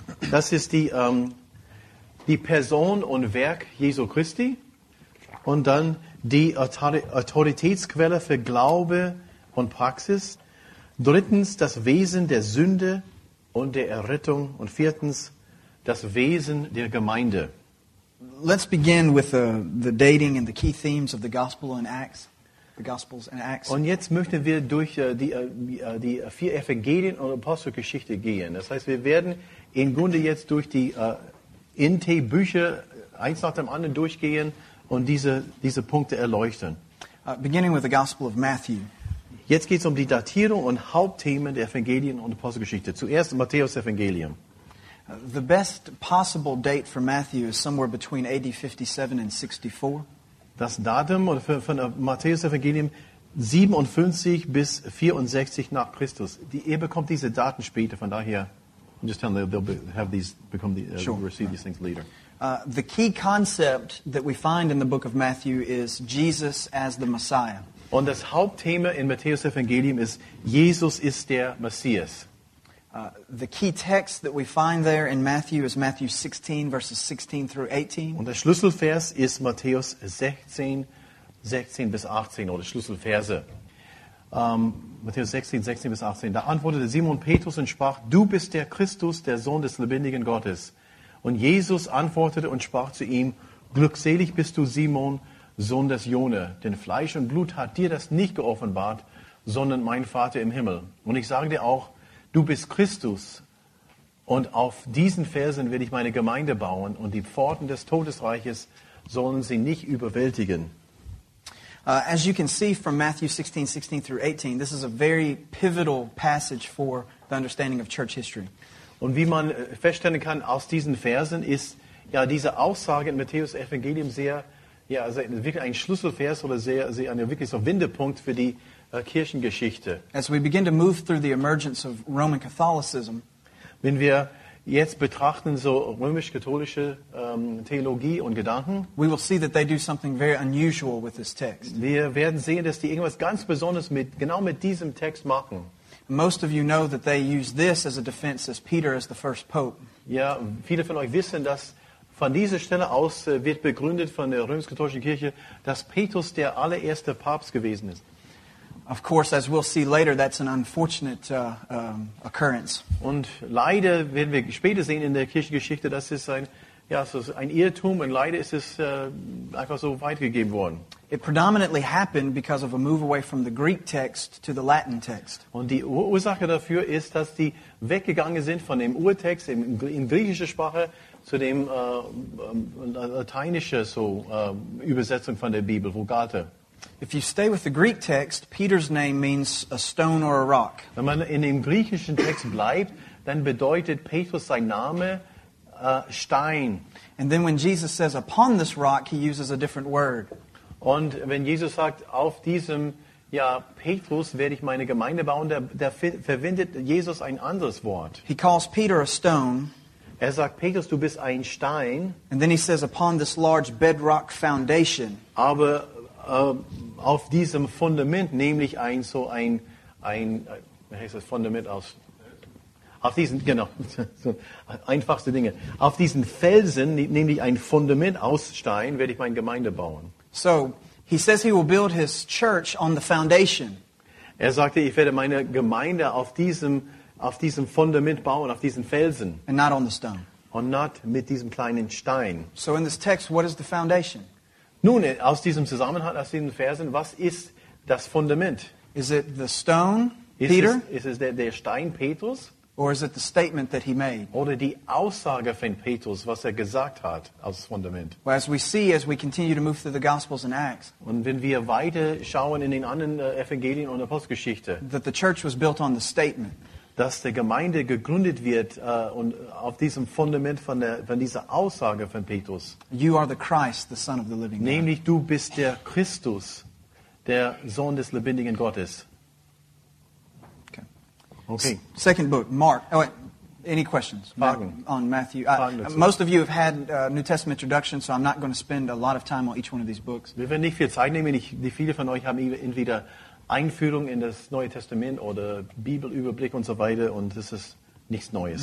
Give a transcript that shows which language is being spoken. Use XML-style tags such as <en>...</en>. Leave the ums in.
<de>Das ist die um, die Person und Werk Jesu Christi und dann die Autoritätsquelle für Glaube und Praxis. Drittens das Wesen der Sünde und der Errettung und viertens das Wesen der Gemeinde.</de> <en>Let's begin with the, the dating and the key themes of the Gospel and Acts. The Gospels and Acts.</en> <de>Und jetzt möchten wir durch uh, die, uh, die, uh, die, vier Evangelien und Apostelgeschichte gehen. Das heißt, wir werden im Grunde jetzt durch die uh, NT-Bücher eins nach dem anderen durchgehen und diese, diese Punkte erleuchten.</de> <en>beginning with the Gospel of Matthew.</en> <de>Jetzt geht es um die Datierung und Hauptthemen der Evangelien und Apostelgeschichte. Zuerst Matthäus Evangelium.</de> <en>The best possible date for Matthew is somewhere between AD 57 and 64.</en> <de>Das Datum oder von Matthäus Evangelium 57 bis 64 nach Christus. Die, er bekommt diese Daten später, von daher</de> <en>I'm just telling them they'll have these become the, uh, sure. receive these uh, things later. Uh, the key concept that we find in the book of Matthew is Jesus as the Messiah.</en> <de>Und das Hauptthema in Matthäus Evangelium ist Jesus ist der Messias.</de> <en>Uh, the key text that we find there in Matthew is Matthew 16 verses 16 through 18.</en> <de>Und der Schlüsselvers ist Matthäus 16 16 bis 18 oder Schlüsselverse. Um, Matthäus 16, 16 bis 18. Da antwortete Simon Petrus und sprach, du bist der Christus, der Sohn des lebendigen Gottes. Und Jesus antwortete und sprach zu ihm, glückselig bist du, Simon, Sohn des Jone, denn Fleisch und Blut hat dir das nicht geoffenbart, sondern mein Vater im Himmel. Und ich sage dir auch, du bist Christus. Und auf diesen Felsen werde ich meine Gemeinde bauen und die Pforten des Todesreiches sollen sie nicht überwältigen.</de> <en>Uh, as you can see from Matthew 16, 16 through 18, this is a very pivotal passage for the understanding of church history.</en> <de>Und wie feststellen kann aus diesen Versen, ist ja diese Aussage in Matthäus Evangelium sehr, ja, sehr, wirklich ein Schlüsselvers oder sehr, sehr ein wirklich so Wendepunkt für die uh, Kirchengeschichte.</de> <en>As we begin to move through the emergence of Roman Catholicism,</en> <de>wenn wir jetzt betrachten so römisch-katholische ähm, Theologie und Gedanken. We Wir werden sehen, dass die irgendwas ganz Besonderes mit genau mit diesem Text machen.</de> <en>Most of you know that they use this as a defense as Peter as the first pope.</en> <de>Ja, viele von euch wissen, dass von dieser Stelle aus äh, wird begründet von der römisch-katholischen Kirche, dass Petrus der allererste Papst gewesen ist.</de> <en>of course, as we'll see later, that's an unfortunate uh, um, uh, occurrence.</en> <de>Und leider werden wir später in der Kirchengeschichte, dass es ein ja, es so ist ein Irrtum und leider ist es äh, uh, so</de> <en>It predominantly happened because of a move away from the Greek text to the Latin text.</en> <de>Und die Ur Ursache dafür ist, dass die weggegangen sind von dem Urtext in, in griechischer Sprache zu dem äh, uh, lateinischen so, äh, Übersetzung von der Vulgate.</de> <en>If you stay with the Greek text, Peter's name means a stone or a rock.</en> <de>in dem griechischen Text bleibt, bedeutet Petrus sein Name uh, Stein.</de> <en>And then when Jesus says upon this rock, he uses a different word. And when Jesus said,</en> <de>auf diesem ja, Petrus werde ich meine Gemeinde bauen, der, der verwendet Jesus ein anderes Wort.</de> <en>He calls Peter a stone.</en> <de>Er sagt Petrus, du bist ein Stein.</de> <en>And then he says upon this large bedrock foundation.</en> <de>Aber uh, auf diesem Fundament, nämlich ein so ein, ein wie heißt das Fundament</de> <en>he says he will build his church on the foundation.</en> <de>Er sagte, ich werde meine Gemeinde auf diesem, auf diesem Fundament bauen, auf diesen Felsen.</de> <en>And not on the stone.</en> <de>Und nicht mit diesem kleinen Stein.</de> <en>So in this text, what is the foundation?</en> <de>Nun, aus diesem Zusammenhang, aus diesen Versen, was ist das Fundament?</de> <en>Is it the stone, Peter? Is it the</en> <de>der Stein Petrus?</de> <en>Or is it the statement that he made?</en> <de>Oder die Aussage von Petrus, was er gesagt hat als Fundament?</de> <en>Well, as we see, as we continue to move through the Gospels and Acts,</en> <de>und wenn wir weiter schauen in den anderen uh, Evangelien und Apostelgeschichte,</de> <en>that the church was built on the statement</en> <de>dass der Gemeinde gegründet wird äh, uh, und auf diesem Fundament von, der, von dieser Aussage von Petrus.</de> <en>You are the Christ, the Son of the Living God.</en> <de>Nämlich du bist der Christus, der Sohn des lebendigen Gottes.</de> <en>Okay. okay. Second book, Mark. Oh, Any questions about, on Matthew? I, most of you have had uh, New Testament introduction, so I'm not going to spend a lot of time on each one of these books.</en> <de>Wir werden nicht viel Zeit nehmen. die viele von euch haben entweder Einführung in das Neue Testament oder Bibelüberblick und so weiter und das ist nichts Neues.</de>